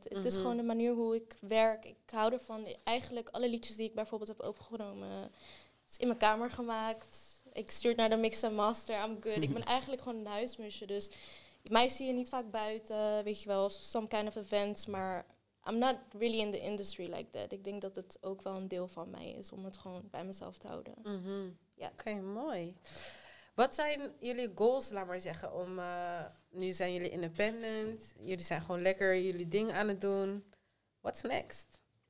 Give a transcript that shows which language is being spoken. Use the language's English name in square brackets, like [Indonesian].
[Dutch] Mm-hmm. Het is gewoon de manier hoe ik werk. Ik hou ervan. Eigenlijk alle liedjes die ik bijvoorbeeld heb opgenomen, is in mijn kamer gemaakt. Ik stuur naar de mix en master. [English] I'm good. [Dutch] Mm-hmm. Ik ben eigenlijk gewoon een huismusje. Dus mij zie je niet vaak buiten, weet je wel. [English] Some kind of events. [Dutch] Maar [English] I'm not really in the industry like that. [Dutch] Ik denk dat het ook wel een deel van mij is om het gewoon bij mezelf te houden. Mm-hmm. Yeah. Oké, mooi. Wat zijn jullie goals, laat maar zeggen, om... Nu zijn jullie independent. Jullie zijn gewoon lekker jullie ding aan het doen. [English] What's next?